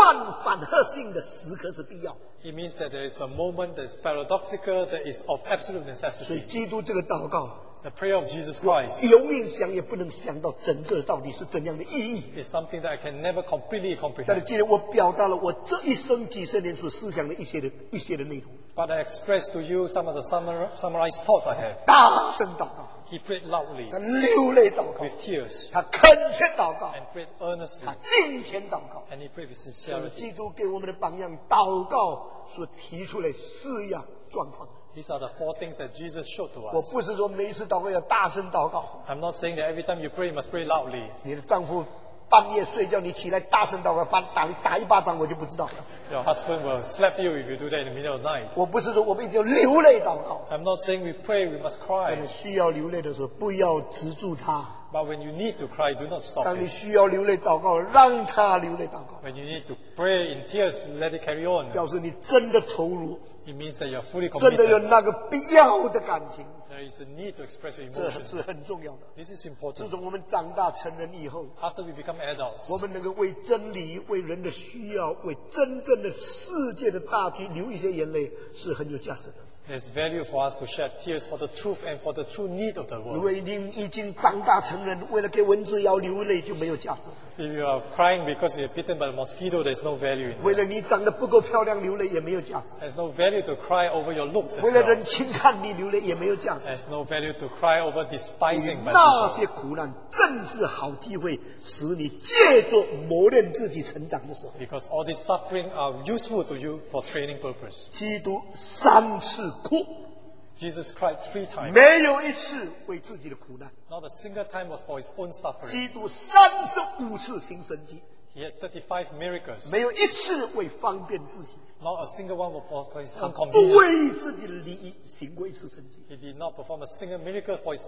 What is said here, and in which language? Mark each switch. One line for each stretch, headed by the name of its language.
Chinese: 这表示永恒中间有差遣的旨意里面有一段反合性的时刻是必要。
English: It means that there is a moment that is paradoxical, that is of absolute necessity.
Chinese: 所以基督这个祷告,
English: the prayer of Jesus Christ,
Chinese: 永远想也不能想到整个到底是怎样的意义,
English: is something that I can never completely comprehend.
Chinese: 但是既然我表达了我这一生几十年所思想的一些的内容,
English: but I expressed to you some of the summarized thoughts I have.
Chinese: 大声祷告,
English: he prayed loudly,
Chinese: 他流泪祷告,
English: with tears,
Chinese: 他恳切祷告,
English: and prayed earnestly,
Chinese: 他敬虔祷告,
English: and he prayed with sincerity.
Chinese: 基督给我们的榜样, 祷告所提出来四样状况,
English: these are the four things that Jesus showed to us.
Chinese: 我不是说每一次祷告要大声祷告,
English: I'm not saying that every time you pray you must pray loudly.
Chinese: 你的丈夫半夜睡觉, 你起来大声祷告, 打一巴掌我就不知道了。
English: Your husband will slap you if you do that in the middle of the night.
Chinese: 我不是说我们一定要流泪祷告,
English: I'm not saying we pray we must cry.
Chinese: 当你需要流泪的时候, 不要止住他,
English: but when you need to cry, do not stop.
Chinese: 当你需要流泪祷告, 让他流泪祷告,
English: when you need to pray in tears, let it carry on.
Chinese: 表示你真的投入,
English: it means that you are fully committed. There is a need to express your emotions. This is important. After we become adults,
Chinese: 我们能够为真理, 为人的需要, 为真正的世界的大局,
English: there's value for us to shed tears for the truth and for the true need of the world.
Chinese: 因为你已经长大成人, 为了给蚊子咬流泪,
English: if you are crying because you are bitten by the mosquito, there's no value in it.
Chinese: 为了你长得不够漂亮, 流泪,
English: there's no value to cry over your looks as
Chinese: 为了人轻看你, 流泪, 流泪也没有价值,
English: there's no value to cry over despising by people.
Chinese: 那些苦难, 正是好机会, 使你借着磨练自己成长的时候,
English: because all these suffering are useful to you for training purpose.
Chinese: 基督三次,
English: Jesus cried three times.
Chinese: 没有一次为自己的苦难,
English: not a single time was for his own suffering.
Chinese: 基督35次行神迹,
English: he had 35 miracles.
Chinese: 没有一次为方便自己,
English: not a single one was for his own convenience. He did not perform a single miracle for his